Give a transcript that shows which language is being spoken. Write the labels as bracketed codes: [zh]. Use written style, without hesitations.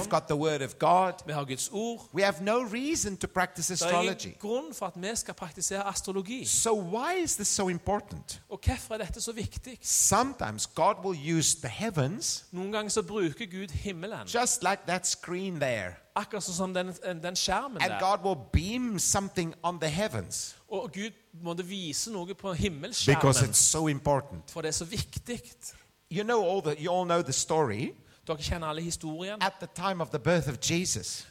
[en] We've got the Word of God. [no] Vi har Guds ord. [en] We have no reason to practice astrology. [no] Det ingen grunn for at vi skal praktisere astrologi. [en] So why is this so important? [no] Og hvorfor dette så viktig? [en] Sometimes God will use the heavens. [no] Noen ganger så bruker Gud himmelen. [en] Just like that screen there. [no] Akkurat sånn som den skjermen der. [en] And God will beam something on the heavens. [no] Og Gud må det vise noe på himmelskjermen. [en] Because it's so important. [no] For det så viktig. [en] You know all the, you all know the story. [no] Dere kjenner alle historien. [en] At the time of the birth of Jesus.